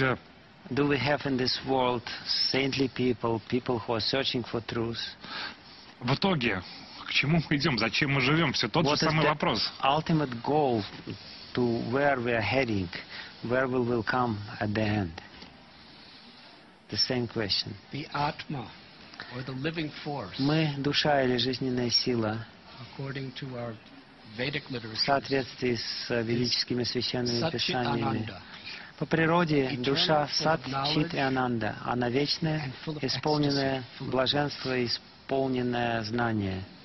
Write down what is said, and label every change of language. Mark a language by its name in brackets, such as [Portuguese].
[English] Why do we have in this world saintly people, people who are searching for truth? [Russian] В итоге, к чему мы идем, зачем мы живем, все тот [English] what [Russian] же самый вопрос. [English] What is the ultimate goal to where we are heading, where we will come at the end? The same question. The Atma, or the living force. [Russian] Мы душа или жизненная сила. [English] According to our Vedic literature, [Russian] в соответствии с ведическими священными писаниями. По природе душа сат-чит-ананда, она вечная, исполненная блаженства, исполненная знания.